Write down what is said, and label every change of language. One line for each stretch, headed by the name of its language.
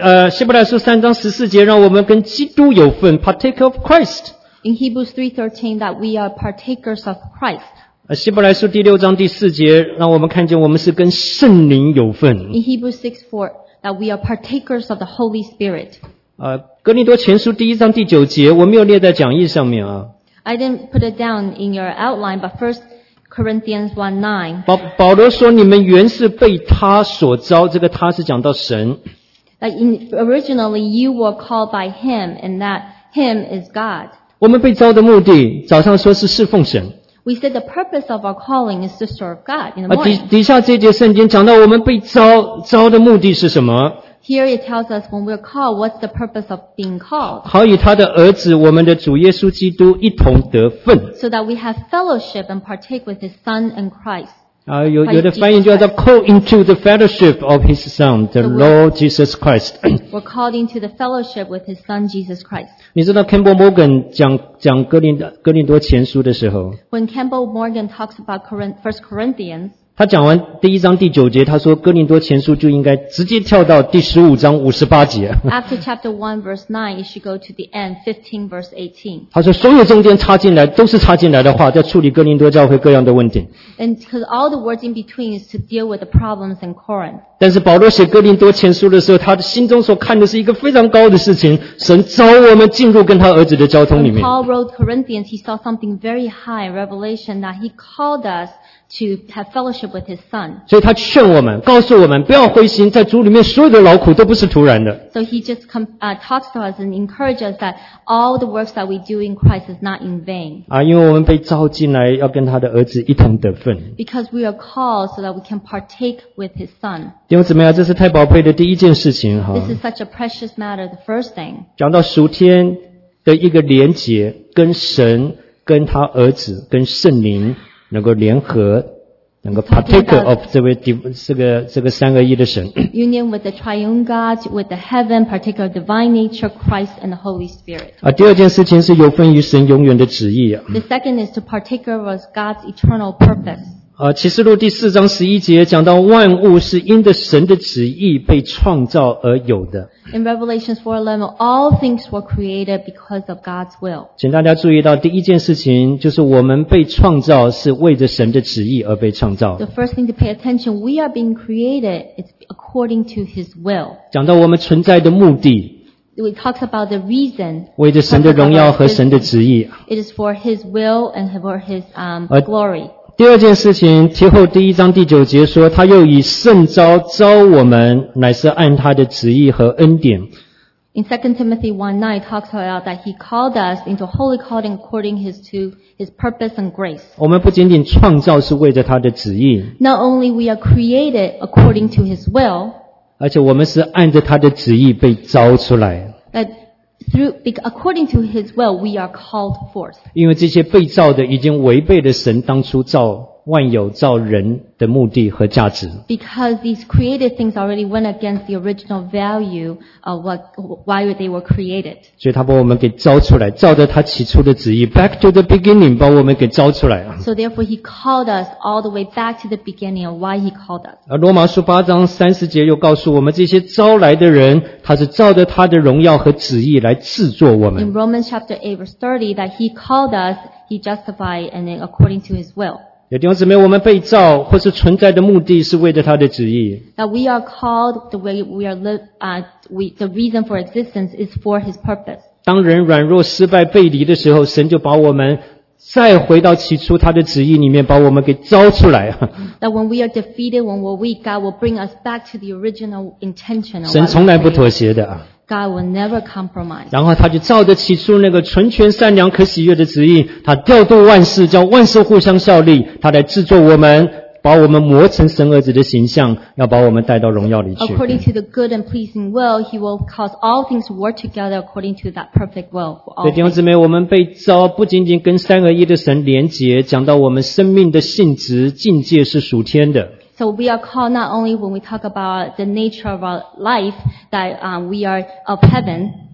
Chinese: 希伯来书3章14节让我们跟基督有份
English: partake of Christ. In Hebrews 3:13 that we are partakers of Christ.
Chinese: 希伯来书第6章第4节让我们看见我们是跟圣灵有份。
English: In Hebrews 6:4 that we are partakers of the Holy Spirit.
Chinese: 哥林多前书第一章第九节我没有列在讲义上面啊。
English: I didn't put it down in your outline, but 1 Corinthians 1:9.
Chinese: 保罗说你们原是被他所召，这个他是讲到神。
English: That originally you were called by him, and that him is God.
Chinese: 我们被召的目的早上说是侍奉神。
English: We said the purpose of our calling is to serve God in the morning.
Chinese: 底下这节圣经讲到我们被召的目的是什么。
English: Here it tells us when we're called, what's the purpose of being called?
Chinese: 好与他的儿子，我们的主耶稣基督一同得份。
English: So that we have fellowship and partake with his son and Christ.
Chinese: 有的翻译叫做
English: call into the fellowship of his son, the Lord Jesus Christ. We're called into the fellowship with his son Jesus Christ.
Chinese: 你知道 Campbell Morgan 讲哥林多前书的时候。
English: When Campbell Morgan talks about 1 Corinthians,
Chinese: 他讲完第一章第九节，他说《哥林多前书》就应该直接跳到第十五章五十八节。
English: After chapter 1 verse 9, you should go to the end, 15 verse 18.
Chinese: 他说所有中间插进来都是插进来的话，在处理哥林多教会各样的问题。
English: And because all the words in between is to deal with the problems in Corinth.
Chinese: 但是保罗写《哥林多前书》的时候，他心中所看的是一个非常高的事情，神召我们进入跟他儿子的交通里面。
English: When Paul wrote Corinthians, he saw something very high, revelation that he called us. To have fellowship with his son.
Chinese: 所以他劝我们，告诉我们不要灰心，在主里面所有的劳苦都不是徒然的。
English: So he just talks to us and encourages us that all the works that we do in Christ is not in vain.
Chinese: 啊，因为我们被召进来，要跟他的儿子一同得份。
English: Because we are called so that we can partake with his son.
Chinese: 弟兄姊妹啊，这是太宝贵的第一件事情哈。
English: This is such a precious matter, the first thing.
Chinese: 讲到属天的一个连结，跟神、跟他儿子、跟圣灵。能够联合，能够
English: partake of
Chinese: 这个三个一的神。
English: Union with the triune God, with the heaven, partake of divine nature, Christ and the Holy Spirit.
Chinese: 啊，第二件事情是有份于神永远的旨意。
English: The second is to partake of God's eternal purpose.
Chinese: 啊，启示录第四章十一节讲到万物是因着神的旨意被创造而有的。
English: In Revelation 4:11, all things were created because of God's will.
Chinese: 请大家注意到第一件事情就是我们被创造是为着神的旨意而被创造。
English: The first thing to pay attention, we are being created, it's according to His will.
Chinese: 讲到我们存在的目的。
English: We talk about the reason.
Chinese: 为着神的荣耀和神的旨意。
English: It is for His will and for His glory.
Chinese: 第二件事情，提后第一章第九节说，他又以圣召召我们，乃是按他的旨意和恩典。
English: In 2 Timothy 1:9 talks about that he called us into holy calling according his purpose and grace.
Chinese: 我们不仅仅创造是为着他的旨意。
English: Not only we are created according to his will.
Chinese: 而且我们是按着他的旨意被召出来。
English: According to His will, we are called forth.
Chinese: 因为这些被造的已经违背了神当初造万有、造人的目的和价值。
English: Because these created things already went against the original value of why they were created.
Chinese: 所以他把我们给召出来，照着他起初的旨意 ，
English: back to the beginning，
Chinese: 把我们给召出来。
English: So therefore, He called us all the way back to the beginning of why He called us.
Chinese: 而罗马书八章三十节又告诉我们，这些招来的人，他是照着他的荣耀和旨意来制作我们。
English: In Romans chapter 8 verse 30, that He called us, He justified, and then according to His will.
Chinese: 有弟兄姊妹，我们被造或是存在的目的是为了他的旨意。
English: That we are called the way we are live, the reason for existence is for his purpose.
Chinese: 当人软弱失败背离的时候，神就把我们再回到起初他的旨意里面，把我们给招出来。
English: That when we are defeated, when we're weak, God will bring us back to the original intention.
Chinese: 神从来不妥协的。
English: God will never compromise.
Chinese: 然后他就照着起初那个纯全善良可喜悦的旨意，他调度万事，叫万事互相效力，他来制作我们，把我们磨成神儿子的形象，要把我们带到荣耀里去。
English: According to the good and pleasing will, He will cause all things to work together according to that perfect will.
Chinese: 对，弟兄姊妹，我们被召不仅仅跟三而一的神连结，讲到我们生命的性质境界是属天的。
English: So we are called not only when we talk about the nature of our life that we are of heaven.